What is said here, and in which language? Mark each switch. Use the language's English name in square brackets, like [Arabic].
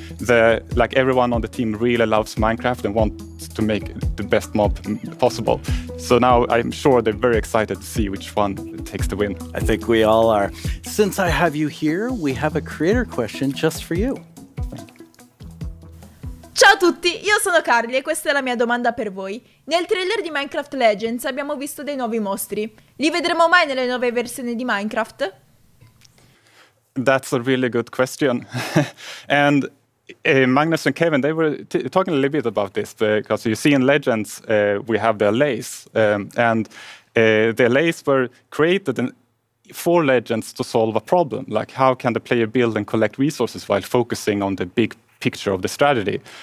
[English] Like everyone on the team really loves Minecraft and wants to make the best mob possible. So now I'm sure they're very excited to see which one takes the win. I think we all are. Since I have you here, we have a creator question just for you. [Italian] Ciao a tutti, io sono Carly e questa è la mia domanda per voi. Nel trailer di Minecraft Legends abbiamo visto dei nuovi mostri. Li vedremo mai nelle nuove versioni di Minecraft? [English] That's a really good question. And Magnus and Kevin, they were talking a little bit about this, because you see in Legends we have the allays. The allays were created for Legends to solve a problem. Like, how can the player build and collect resources while focusing on the big picture of the strategy.